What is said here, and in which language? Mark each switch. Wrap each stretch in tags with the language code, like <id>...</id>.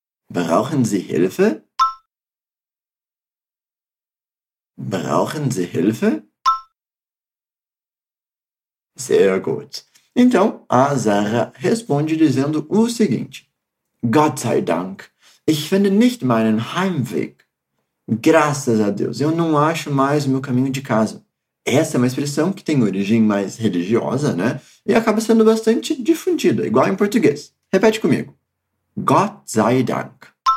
<de>Brauchen Sie Hilfe? Brauchen Sie Hilfe? Sehr gut.</de> <pt>Então, a Sarah responde dizendo o seguinte.</pt> <de>Gott sei Dank, ich finde nicht meinen Heimweg.</de> <pt>Graças a Deus, eu não acho mais o meu caminho de casa. Essa é uma expressão que tem origem mais religiosa, né? E acaba sendo bastante difundida, igual em português. Repete comigo.</pt> <de>Gott sei Dank.</de>